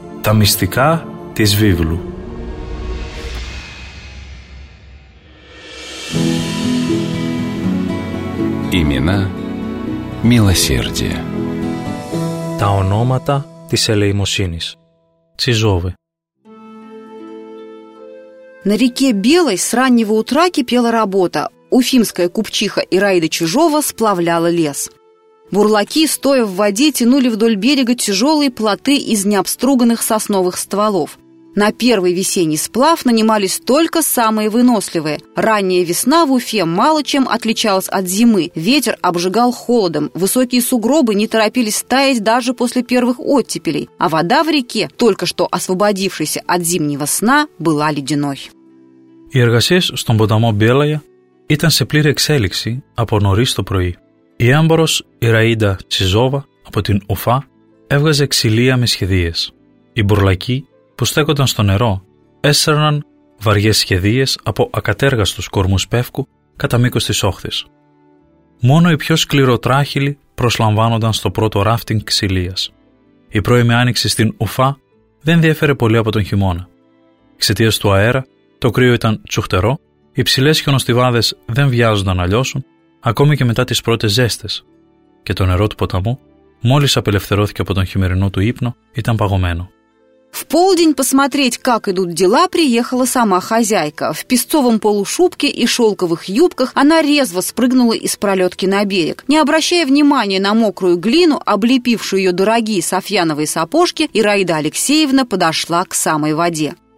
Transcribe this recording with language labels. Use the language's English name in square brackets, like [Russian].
[Greek] Τα μυστικά της Βίβλου. [Russian] Ημινά Μιλοσέρδια. [Greek] Τα ονόματα της ελεημοσύνης. Τσιζόβε. [Russian] На реке Белой с раннего утра кипела работа. Уфимская купчиха Ираида Чижова сплавляла лес. Бурлаки, стоя в воде, тянули вдоль берега тяжелые плоты из необструганных сосновых стволов. На первый весенний сплав нанимались только самые выносливые. Ранняя весна в Уфе мало чем отличалась от зимы. Ветер обжигал холодом, высокие сугробы не торопились таять даже после первых оттепелей, а вода в реке, только что освободившейся от зимнего сна, была ледяной. [Greek] Οι εργασίες στον ποταμό Белая ήταν σε πλήρη εξέλιξη από νωρίς το πρωί. Η άμπορος Ιραίδα Τσιζόβα από την Ουφά έβγαζε ξυλία με σχεδίες. Οι μπουρλακοί που στέκονταν στο νερό, έσερναν βαριές σχεδίες από ακατέργαστους κορμούς πεύκου κατά μήκος της όχθης. Μόνο οι πιο σκληροτράχυλοι προσλαμβάνονταν στο πρώτο ράφτινγκ ξυλίας. Η πρώιμη άνοιξη στην Ουφά δεν διέφερε πολύ από τον χειμώνα. Εξαιτίας του αέρα, το κρύο ήταν τσουχτερό, οι ψηλές χιονοστιβάδες δεν βιάζονταν να λιώσουν, ακόμη και μετά τις πρώτες ζέστες. Και το νερό του ποταμού, μόλις απελευθερώθηκε από τον χειμερινό του ύπνο, ήταν παγωμένο. [Russian] В полдень посмотреть, как идут дела, приехала сама хозяйка. В песцовом полушубке и шелковых юбках она резво спрыгнула из пролетки на берег. Не обращая внимания на мокрую глину, облепившую ее дорогие софьяновые сапожки, Ираида Алексеевна подошла к самой воде.